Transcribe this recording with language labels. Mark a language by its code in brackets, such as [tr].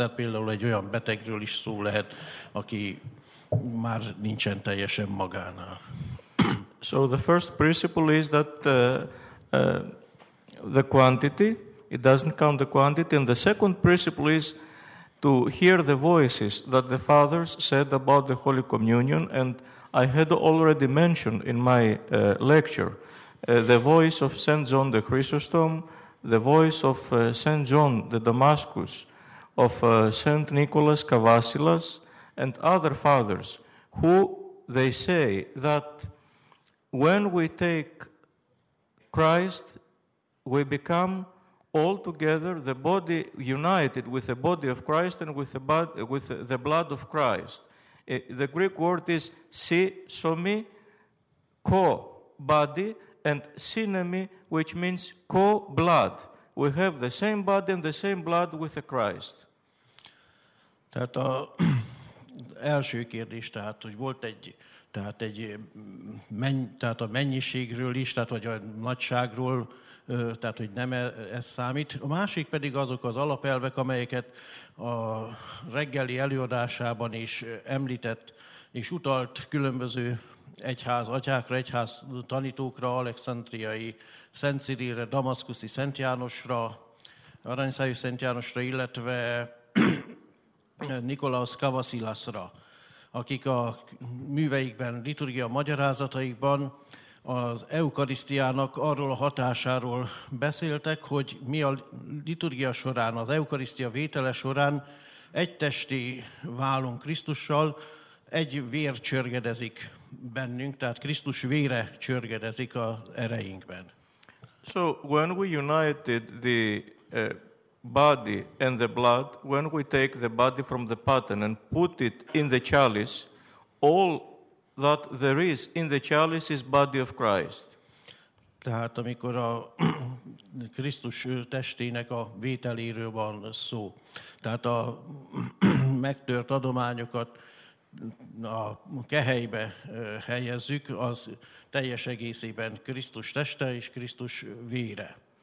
[hu] Tehát például egy olyan betegről is szó lehet, aki már nincsen teljesen magánál. [en] So the first principle is that the quantity, it doesn't count the quantity. And the second principle is to hear the voices that the fathers said about the Holy Communion, and I had already mentioned in my lecture the voice of St. John the Chrysostom, the voice of St. John the Damascus, of St. Nicholas Cavassilas, and other fathers, who they say that when we take Christ, we become all together, the body united with the body of Christ and with the blood of Christ. The Greek word is si, somi, ko, body, and sinemi, which means ko, blood. We have the same body and the same blood with the Christ. [hu] Tehát a első kérdés, tehát, hogy volt egy, tehát, egy menny, tehát a mennyiségről is, tehát vagy a nagyságról, tehát, hogy nem ez számít. A másik pedig azok az alapelvek, amelyeket a reggeli előadásában is említett, és utalt különböző egyház, atyákra, egyház tanítókra, alexandriai Szent Cirilre, damaszkuszi Szent Jánosra, aranyszájú Szent Jánosra, illetve Nikolaus Cavassilasra, akik a műveikben, liturgia magyarázataikban az eukarisztiának arról a hatásáról beszéltek, hogy mi a liturgia során, az eukarisztia vétele során egy testi válunk Krisztussal, egy vér csörgedezik bennünk, tehát Krisztus vére csörgedezik az ereinkben. [en] So when we united the body and the blood, when we take the body from the paten and put it in the chalice, all that there is in the chalice is body of Christ. [hu] Tehát amikor a Krisztus testének a vételéről van szó, tehát a megtört adományokat a kehelybe helyezzük, az teljes egészében Krisztus teste és Krisztus vére.